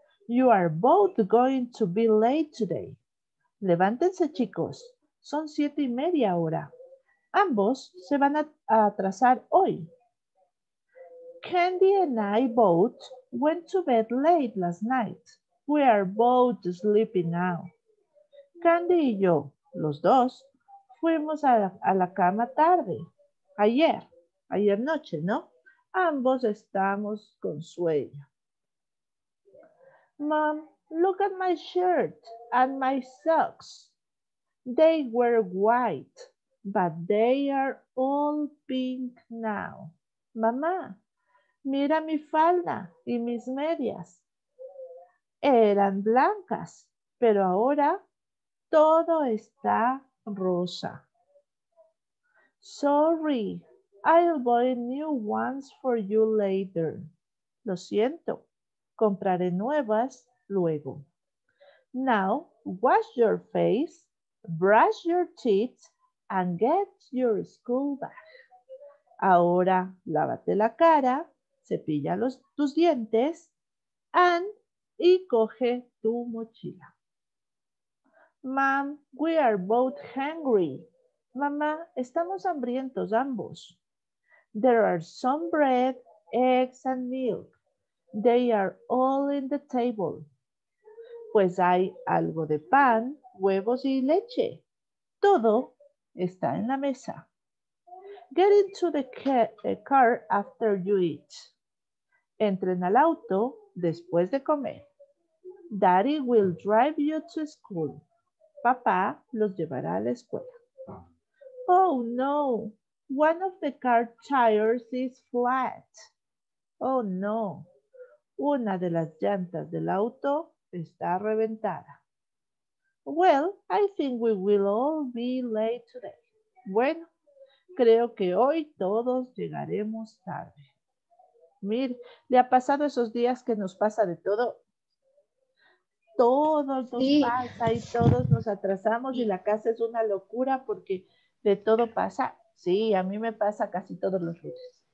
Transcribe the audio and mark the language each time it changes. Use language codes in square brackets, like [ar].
[en] You are both going to be late today. [es] Levántense, chicos. Son 7:30 ahora. Ambos se van a atrasar hoy. [en] Candy and I both went to bed late last night. We are both sleepy now. [es] Candy y yo, los dos, fuimos a la cama tarde. Ayer noche, ¿no? Ambos estamos con sueño. [en] Mom, look at my shirt and my socks. They were white, but they are all pink now. [es] Mamá, mira mi falda y mis medias. Eran blancas, pero ahora todo está rosa. [en] Sorry. I'll buy new ones for you later. [es] Lo siento. Compraré nuevas luego. [en] Now, wash your face, brush your teeth, and get your school bag. [es] Ahora, lávate la cara, cepilla tus dientes, y coge tu mochila. [en] Mom, we are both hungry. [es] Mamá, estamos hambrientos ambos. [en] There are some bread, eggs, and milk. They are all in the table. [es] Pues hay algo de pan, huevos y leche. Todo está en la mesa. [en] Get into the car after you eat. [es] Entren al auto después de comer. [en] Daddy will drive you to school. [es] Papá los llevará a la escuela. [en] Oh, no. One of the car tires is flat. Oh, no. [es] Una de las llantas del auto está reventada. [en] Well, I think we will all be late today. [es] Bueno, creo que hoy todos llegaremos tarde. Mire, ¿le ha pasado esos días que nos pasa de todo? Todos nos pasa y todos nos atrasamos y la casa es una locura porque de todo pasa. Sí, a mí me pasa casi todos los días.